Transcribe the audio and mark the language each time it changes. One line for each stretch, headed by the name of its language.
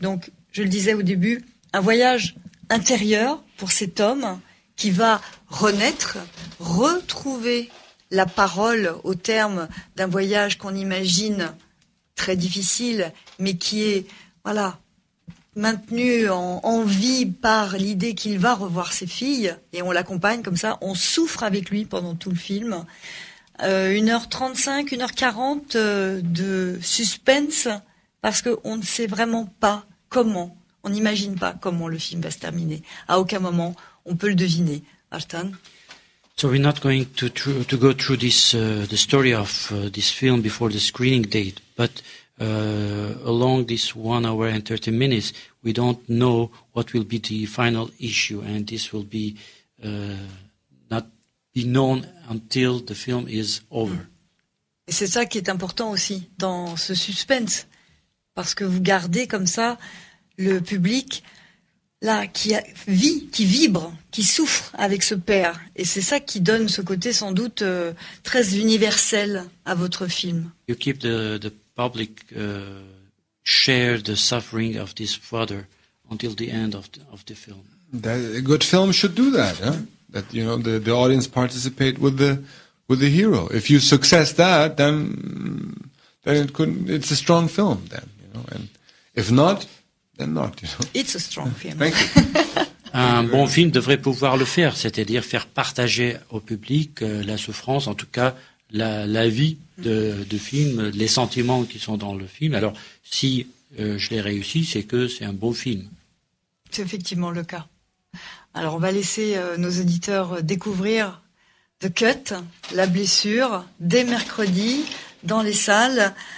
French: Donc, je le disais au début, un voyage intérieur pour cet homme qui va renaître, retrouver la parole au terme d'un voyage qu'on imagine très difficile, mais qui est, voilà, maintenu en vie par l'idée qu'il va revoir ses filles et on l'accompagne comme ça, on souffre avec lui pendant tout le film. 1h35, 1h40 de suspense parce qu'on ne sait vraiment pas comment, on n'imagine pas comment le film va se terminer. À aucun moment on peut le deviner. Artan.
English: So we're not going to go through this the story of this film before the screening date, but along this 1 hour and 30 minutes, we don't know what will be the final issue, and this will be not be known until the film is over.
French: Et c'est ça qui est important aussi dans ce suspense, parce que vous gardez comme ça le public là qui vibre, qui souffre avec ce père, et c'est ça qui donne ce côté sans doute très universel à votre film.
English: You keep the public share the suffering of this father until the end of the film. That, a good film should do that. Huh? That you know the audience participate with the hero. If you success that, then it could, it's a strong film. Then you know, and if not, then not. You know, it's a strong film. Thank you.
French: Un bon film devrait pouvoir le faire, c'est-à-dire faire partager au public la souffrance, en tout cas. La vie de film, les sentiments qui sont dans le film. Alors, si je l'ai réussi, c'est que c'est un beau film. C'est effectivement le cas. Alors, on va laisser nos auditeurs découvrir The Cut, La blessure, dès mercredi, dans les salles.